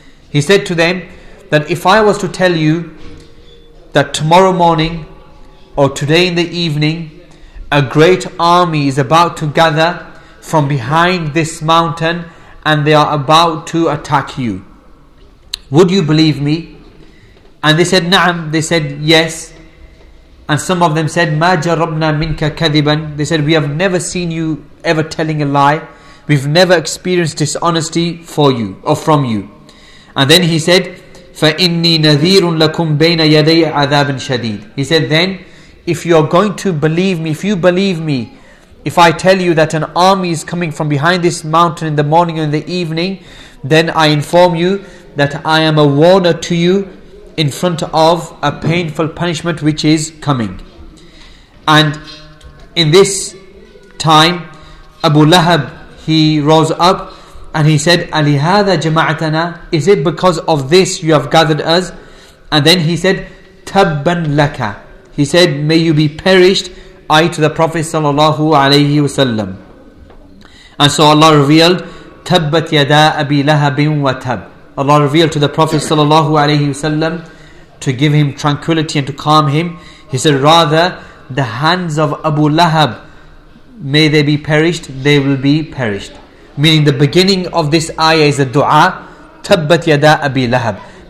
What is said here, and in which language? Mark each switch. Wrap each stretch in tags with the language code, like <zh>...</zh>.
<en>He said to them that if I was to tell you that tomorrow morning or today in the evening a great army is about to gather from behind this mountain and they are about to attack you, would you believe me? And they said,</en> <ar>نعم.</ar> <en>They said, yes. And some of them said,</en> <ar>مَا جَرَبْنَا مِنْكَ كَذِبًا.</ar> <en>They said, we have never seen you ever telling a lie. We've never experienced dishonesty for you or from you. And then he said,</en> <ar>فَإِنِّي نَذِيرٌ لَكُمْ بَيْنَ يَدَيْ عَذَابٍ شَدِيدٍ.</ar> <en>He said, then, if you are going to believe me, if you believe me, if I tell you that an army is coming from behind this mountain in the morning and in the evening, then I inform you that I am a warner to you in front of a painful punishment which is coming. And in this time, Abu Lahab, he rose up and he said,</en> <ar>أَلِهَذَا جَمَعْتَنَا.</ar> <en>Is it because of this you have gathered us? And then he said,</en> <ar>تَبَّنْ لَكَ.</ar> <en>He said, may you be perished, I to the Prophet sallallahu alayhi wasallam. And so Allah revealed,</en> <ar>تَبَّتْ يَدَا أَبِي لَهَبٍ وَتَبْ.</ar> <en>Allah revealed to the Prophet sallallahu alayhi wasallam to give him tranquility and to calm him. He said, rather, the hands of Abu Lahab, may they be perished, they will be perished. Meaning the beginning of this ayah is a dua,</en> <ar>تَبَّتْ يَدَا أَبِي لَهَبْ.</ar>